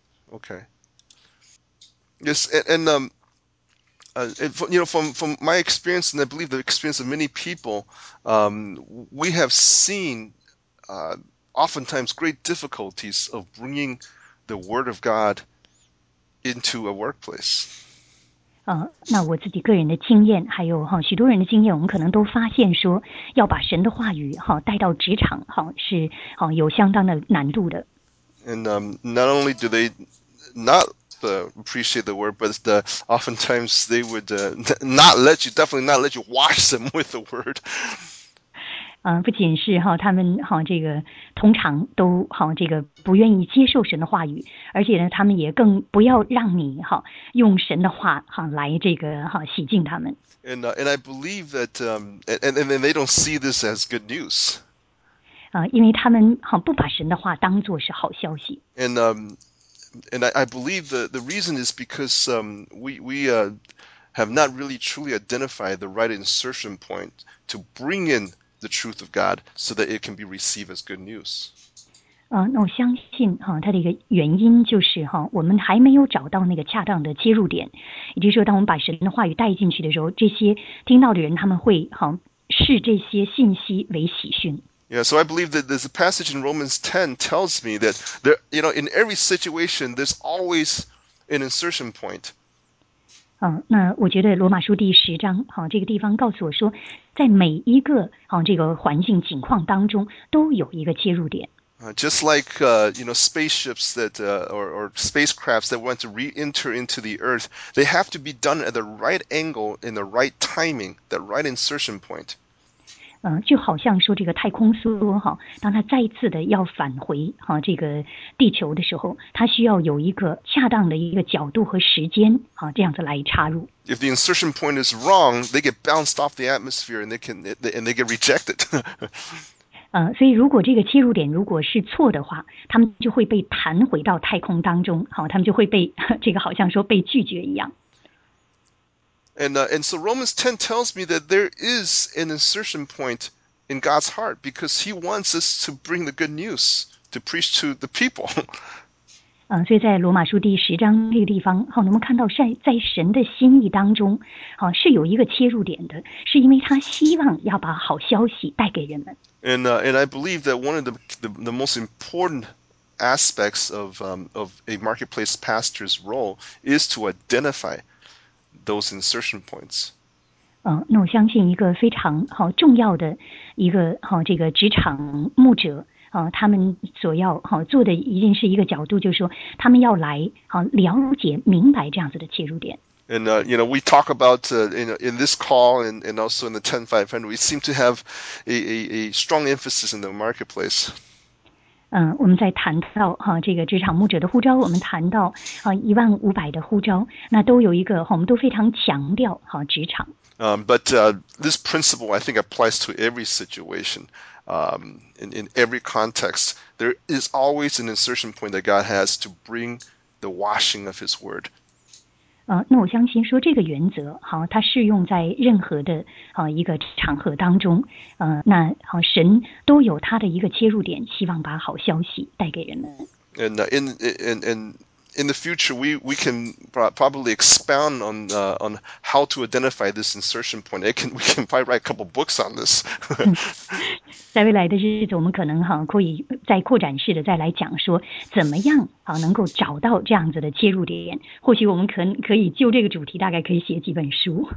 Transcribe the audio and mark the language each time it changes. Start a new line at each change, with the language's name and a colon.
English: OK，Yes，and and you know from my experience, and I believe the experience of many people, we have seen oftentimes great difficulties of bringing the Word of God into a workplace.
Chinese: 那我自己个人的经验，还有哈许多人的经验，我们可能都发现说，要把神的话语哈带到职场，哈是哈有相当的难度的。
English: And not only do they not appreciate the word, but oftentimes they would not let you, definitely not let you wash them with the word.
Chinese: 不仅是哈，他们哈这个通常都哈这个不愿意接受神的话语，而且呢，他们也更不要让你哈用神的话哈来这个哈洗净他们。
English: And I believe that and they don't see this as good news.
Chinese: 因为他们哈不把神的话当做是好消息。
English: And I believe the reason is because we have not really truly identified the right insertion point to bring in the truth of God so that it can be received as good news.
Chinese: 那我相信哈，它的一个原因就是哈，我们还没有找到那个恰当的切入点，也就是说，当我们把神的话语带进去的时候，这些听到的人他们会哈视这些信息为喜讯。
English: Yeah, so I believe that there's a passage in Romans 10 tells me that in every situation, there's always an insertion point.
Chinese: 那我觉得罗马书第十章哈，这个地方告诉我说，在每一个哈这个环境情况当中都有一个切入点。
English: Just like spaceships that or spacecrafts that want to re-enter into the Earth, they have to be done at the right angle in the right timing, the right insertion point.
Chinese: 就好像说这个太空梭哈，当它再次的要返回哈这个地球的时候，它需要有一个恰当的一个角度和时间哈，这样子来插入。
English: If the insertion point is wrong, they get bounced off the atmosphere and they get rejected.
Chinese: 所以如果这个切入点如果是错的话，他们就会被弹回到太空当中，好，他们就会被这个好像说被拒绝一样。
English: And so Romans 10 tells me that there is an insertion point in God's heart because He wants us to bring the good news to preach to the people.
Chinese: 所以在罗马书第十章这个地方，好，我们看到在神的心意当中，好，是有一个切入点的，是因为他希望要把好消息带给人们。
English: And I believe that one of the most important aspects of a marketplace pastor's role is to identify those insertion points.
Chinese: 那我相信一个非常好重要的一个好这个职场牧者。他们所要做的一定是一个角度，就是说他们要来了解明白这样子的切入点。
English: And we talk about in this call and also in the 10500, we seem to have a strong emphasis in the marketplace.
Chinese: 我们在谈到这个职场牧者的呼召，我们谈到1500的呼召，那都有一个我们都非常强调职场。
English: This principle I think applies to every situation. In every context, there is always an insertion point that God has to bring the washing of His word.
Chinese: 那我相信说这个原则，它适用在任何的一个场合当中。那神都有他的一个切入点，希望把好消息带给人们。
English: And in the future, we can probably expound on how to identify this insertion point. We can probably write a couple books on this.
Chinese: 在未来的日子，我们可能可以再扩展式的再来讲说，怎么样能够找到这样子的切入点。或许我们可以就这个主题，大概可以写几本书。